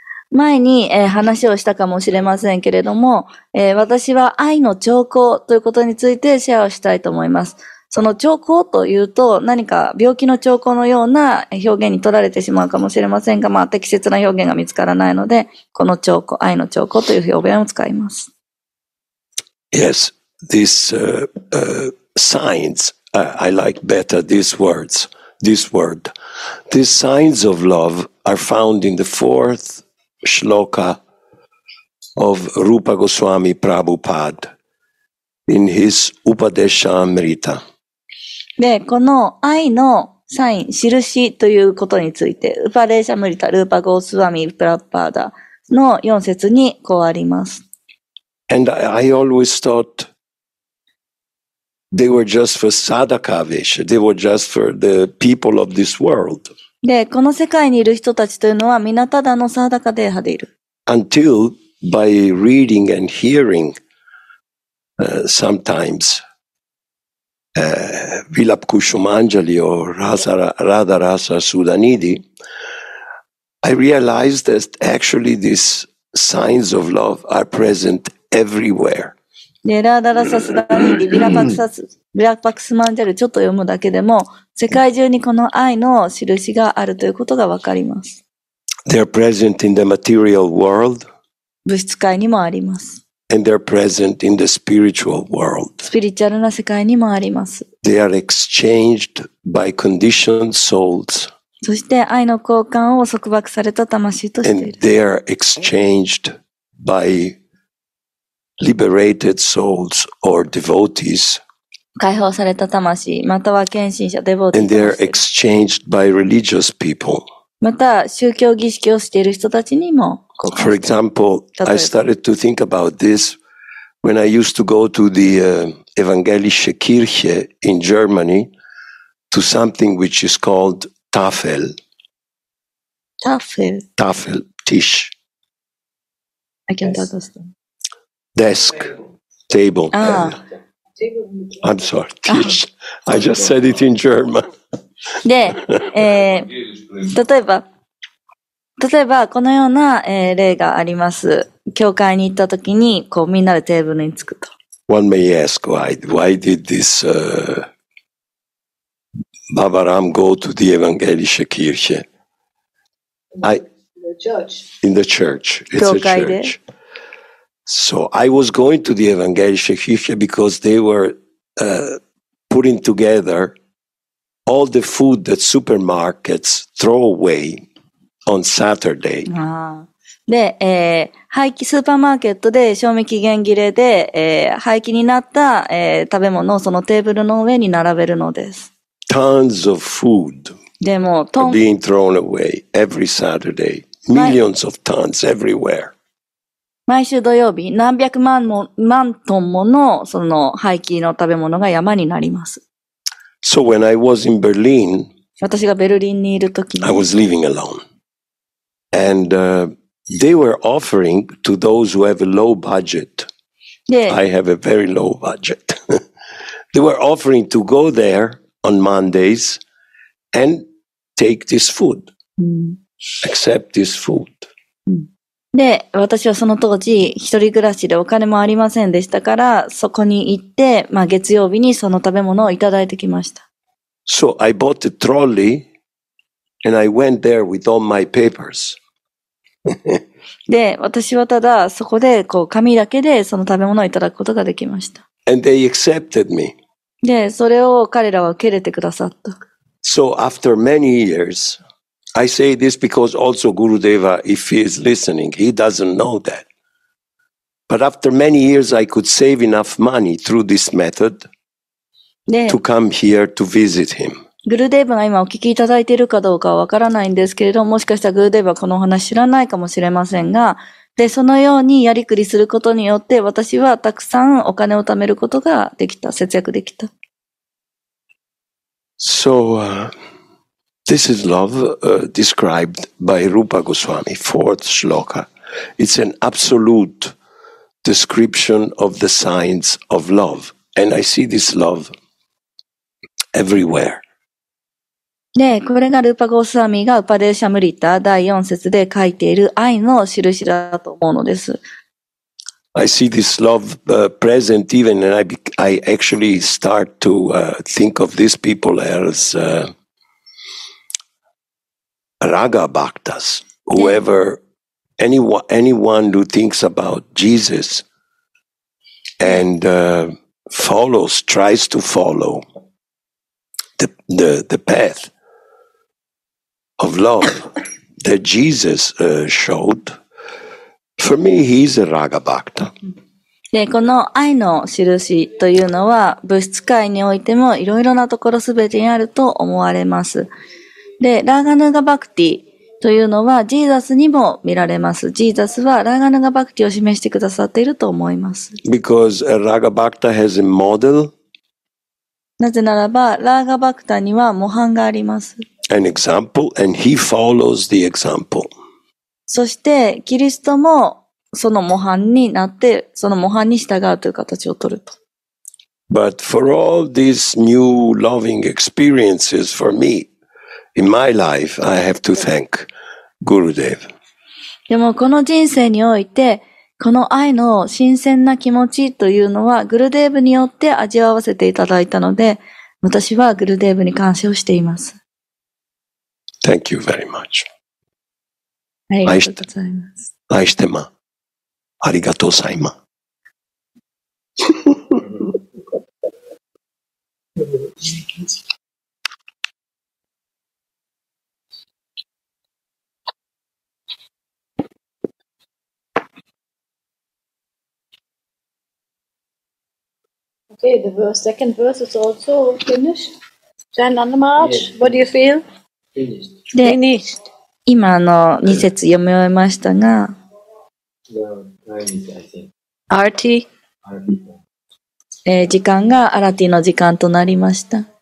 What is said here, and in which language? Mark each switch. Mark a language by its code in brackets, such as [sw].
[ja] 前に、話をしたかもしれませんけれども、私は愛の兆候ということについてシェアをしたいと思います。その兆候というと何か病気の兆候のような表現に取られてしまうかもしれませんが、まあ適切な表現が見つからないので、この兆候、愛の兆候という表現を使います。 [en] Yes, these signs, I like better these words, this word. These signs of love are found in the fourth shloka of Rupa Goswami Prabhupada in his Upadeshamrita. [ja] で、この愛のサイン、印ということについて、ウパデーシャムリタ、ルーパゴースワミ、プラッパーダの4節にこうあります。 [en] And I always thought they were just for sadaka vesha, they were just for the people of this world. [ja] で、この世界にいる人たちというのは、みなただのサダカデーハでいる。 [en] Until by reading and hearing, sometimes,Vilap Kushumanjali or Radha Rasa Sudanidhi, I realized that actually these signs of love are present everywhere. [ja] Radha Rasa Sudanidhi, Vilap Kushumanjali, ちょっと読むだけでも、世界中にこの愛の印があるということがわかります。 [en] They are present in the material world. [ja] 物質界にもあります。 [en] And they're present in the spiritual world. [ja] スピリチュアルな世界にもあります。 [en] They are exchanged by conditioned souls. [ja] そして愛の交換を束縛された魂としている。 [en] And they are exchanged by liberated souls or devotees. [ja] 解放された魂、または献身者、デボティ。 [en] And they are exchanged by religious people. [ja] また宗教儀式をしている人たちにも。 [en] For example, I started to think about this when I used to go to the Evangelische Kirche in Germany to something which is called Tafel. [de] Tafel? Tafel, Tisch. [en] I can't understand. Desk, table. Ah. I'm sorry, Tisch. I just said it in German. [ja] で、例えば、例えば、このような、例があります。教会に行ったときに、こう、みんなでテーブルに着くと。 [en] One may ask, why did this, Babaram go to the Evangelische Kirche? In the church. In the church. It's a church. So, I was going to the Evangelische Kirche because they were, putting together all the food that supermarkets throw away. On Saturday. [ja] で、廃棄スーパーマーケットで賞味期限切れで、廃棄になった、食べ物をそのテーブルの上に並べるのです。 [en] Tons of food. [ja] でも、 [en] being thrown away every Saturday. Millions of tons everywhere. [ja] 毎週土曜日、何百万も、万トンものその廃棄の食べ物が山になります。 [en] So when I was in Berlin, [ja] 私がベルリンにいるとき、 [en] I was living alone. And, they were offering to those who have a low budget. I have a very low budget. They were offering to go there on Mondays and take this food. Accept this food. [ja] で、私はその当時、一人暮らしでお金もありませんでしたから、そこに行って、まあ月曜日にその食べ物をいただいてきました。 [en] So I bought a trolley and I went there with all my papers. [ja] で、私はただそこでこう紙だけでその食べ物をいただくことができました。 [en] And they accepted me. [ja] で、それを彼らは受け入れてくださった。 [en] So after many years, I say this because also Gurudeva, if he is listening, he doesn't know that. But after many years, I could save enough money through this method 네. to come here to visit him. [ja] Gurudeva が今お聞きいただいているかどうかはわからないんですけれども、もしかしたら Gurudeva このお話知らないかもしれませんが、で、そのようにやりくりすることによって、私はたくさんお金を貯めることができた、節約できた。 [en] So, this is love described by Rupa Goswami, fourth shloka. It's an absolute description of the signs of love. And I see this love everywhere. [ja] ね、これがルーパゴスワミがウパデーシャムリタ第四節で書いている愛の印だと思うのです。 [en] I see this love present even, and I actually start to think of these people as raga bhaktas. Whoever, anyone who thinks about Jesus and follows, tries to follow the path of love that Jesus showed. For me, he's a raga bhakta. [ja] で、この愛の印というのは、物質界においてもいろいろなところすべてにあると思われます。で、ラガヌガバクティというのは、ジーザスにも見られます。ジーザスはラガヌガバクティを示してくださっていると思います。 [en] Because a raga bhakta has a model. [ja] なぜならば、ラガバクタには模範があります。 [en] An example, and he follows the example. [ja] そしてキリストもその模範になってその模範に従うという形を取ると。 [en] But for all these new loving experiences for me in my life, I have to thank Gurudev. [ja] でもこの人生においてこの愛の新鮮な気持ちというのはグルデーブによって味わわせていただいたので、私はグルデーブに感謝をしています。 [en] Thank you very much. [ja] ありがとうございます。愛してま。ありがとうさいま。 [en] Okay, the verse, second verse is also finished. Then on the march, what do you feel? Finished. [ja] 今の2節読み終えましたが、アーティ、時間がアラティの時間となりました。